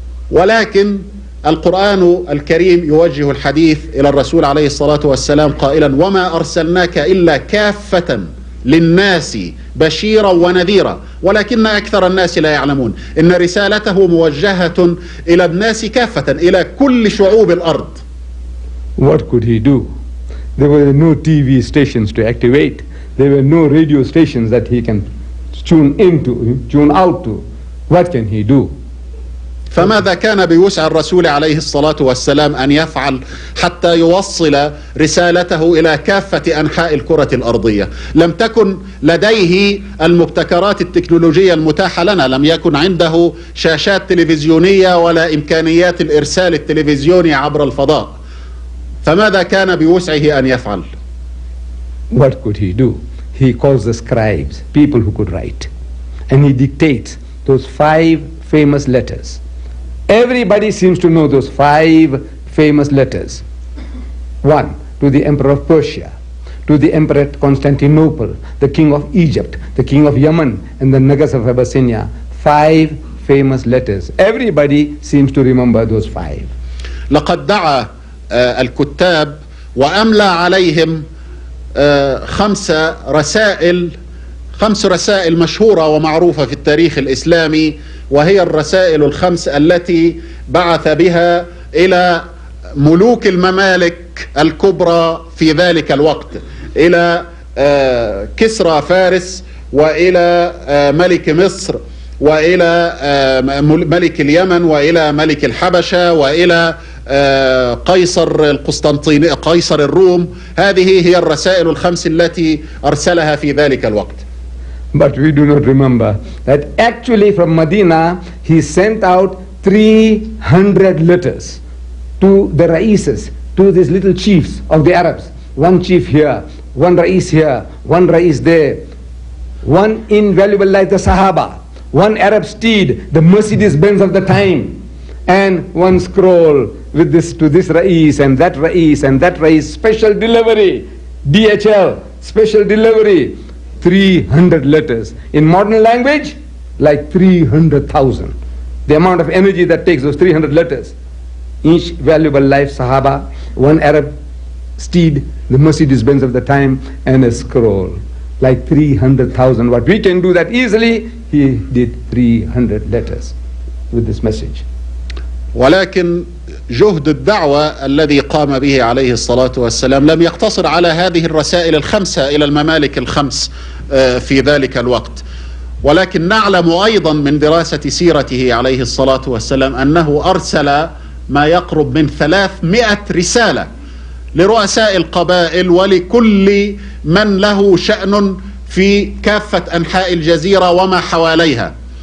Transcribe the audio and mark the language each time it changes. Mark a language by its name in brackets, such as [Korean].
[Arabic] ولكن القرآن الكريم يوجه الحديث إلى الرسول عليه الصلاة والسلام قائلا: وما أرسلناك إلا كافة للناس بشيرا ونذيرا. ولكن أكثر الناس لا يعلمون إن رسالته موجهة إلى الناس كافة، إلى كل شعوب الأرض. [English] What could he do? There were no TV stations to activate. There were no radio stations that he can tune out to. What can he do? [Arabic] فماذا كان بوسع الرسول عليه الصلاة والسلام أن يفعل حتى يوصل رسالته إلى كافة أنحاء الكرة الأرضية؟ لم تكن لديه المبتكرات التكنولوجية المتاحة لنا، لم يكن عنده شاشات تلفزيونية ولا إمكانيات الإرسال التلفزيوني عبر الفضاء، فماذا كان بوسعه أن يفعل؟ [English] What could he do? He calls the scribes, people who could write, and he dictates those five famous letters. Everybody seems to know those five famous letters. One, to the Emperor of Persia, to the Emperor of Constantinople, the King of Egypt, the King of Yemen, and the Nagas of Abyssinia. Five famous letters. Everybody seems to remember those five. [Arabic] لقد دعا الكتاب وأملى عليهم خمس رسائل مشهورة ومعروفة في التاريخ الإسلامي، وهي الرسائل الخمس التي بعث بها إلى ملوك الممالك الكبرى في ذلك الوقت، إلى كسرى فارس، وإلى ملك مصر، وإلى ملك اليمن، وإلى ملك الحبشة، وإلى قيصر القسطنطيني، قيصر الروم. هذه هي الرسائل الخمس التي أرسلها في ذلك الوقت. [English] But we do not remember that actually from Medina he sent out 300 letters to the Ra'ises, to these little chiefs of the Arabs. One chief here, one Ra'is there. One invaluable like the Sahaba, one Arab steed, the Mercedes-Benz of the time. And one scroll with this to this Ra'is and that Ra'is and that Ra'is. Special delivery, DHL, special delivery. 300 letters in modern language, like 300,000. The amount of energy that takes those 300 letters. Each valuable life, Sahaba, one Arab steed, the Mercedes-Benz of the time, and a scroll, like 300,000. What we can do that easily, he did 300 letters with this message. [Arabic] ولكن جهد الدعوة الذي قام به عليه الصلاة والسلام لم يقتصر على هذه الرسائل الخمسة إلى الممالك الخمس في ذلك الوقت، ولكن نعلم أيضا من دراسة سيرته عليه الصلاة والسلام أنه أرسل ما يقرب من 300 رسالة لرؤساء القبائل ولكل من له شأن في كافة أنحاء الجزيرة وما حواليها.